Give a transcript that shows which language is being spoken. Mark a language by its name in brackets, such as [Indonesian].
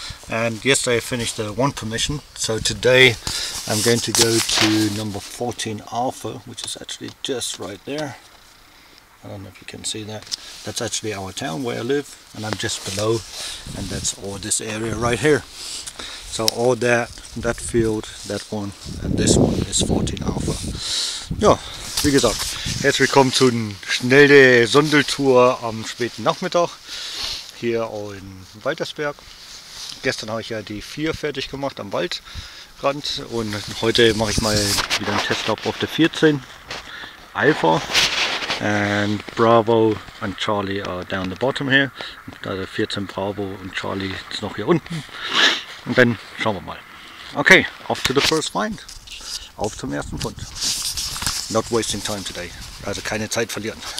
[English] And yesterday I finished the one permission, so today I'm going to go to number 14 Alpha, which is actually just right there. I don't know if you can see that. That's actually our town where I live, and I'm just below, and that's all this area right here. So all that field, that one, and this one is 14 Alpha. [German] Ja, wie gesagt, herzlich willkommen zu einer schnellen Sondeltour am späten Nachmittag hier in Waltersberg. Gestern habe ich ja die 4 fertig gemacht am Waldrand und heute mache ich mal wieder einen Testlauf auf der 14 Alpha. [English] And Bravo and Charlie are down the bottom here. [German] Also 14 Bravo und Charlie ist noch hier unten. Und dann schauen wir mal. [English] Okay, off to the first find. [German] Auf zum ersten Fund. [English] Not wasting time today. [German] Also keine Zeit verlieren.